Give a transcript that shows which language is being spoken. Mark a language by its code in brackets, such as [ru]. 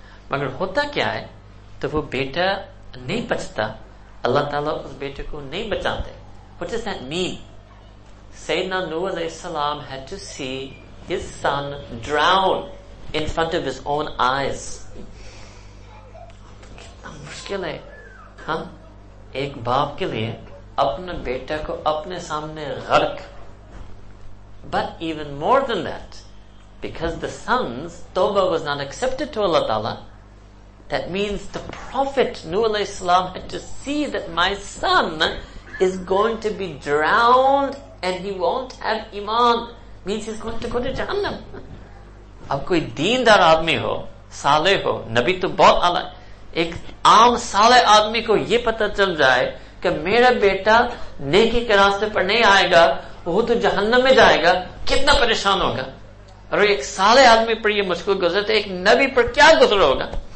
[ur] مگر ہوتا کیا ہے, تو وہ بیٹا نہیں بچتا, اللہ تعالیٰ اس بیٹے کو نہیں بچاتے. [en] What does that mean? سیدنا نوح علیہ السلام had to see his son drown in front of his own eyes. [ur] کتنا مشکل ہے ہاں ایک باپ کے لیے اپنا بیٹا کو اپنے سامنے غرق. [en] But even more than that, because the son's توبہ was not accepted to Allah Ta'ala, that means the Prophet Nuh alayhi salam had to see that my son is going to be drowned and he won't have iman. Means he's going to go to Jahannam. [ur] اب کوئی دیندار آدمی ہو, صالح ہو, نبی تو بہت اعلیٰ, ایک عام صالح آدمی کو یہ پتہ چل جائے کہ میرا بیٹا نیکی کے راستے پر نہیں آئے گا, وہ تو جہنم میں جائے گا, کتنا پریشان ہوگا. اور ایک صالح آدمی پر یہ مشکل گزرے تو ایک نبی پر کیا گزر ہوگا.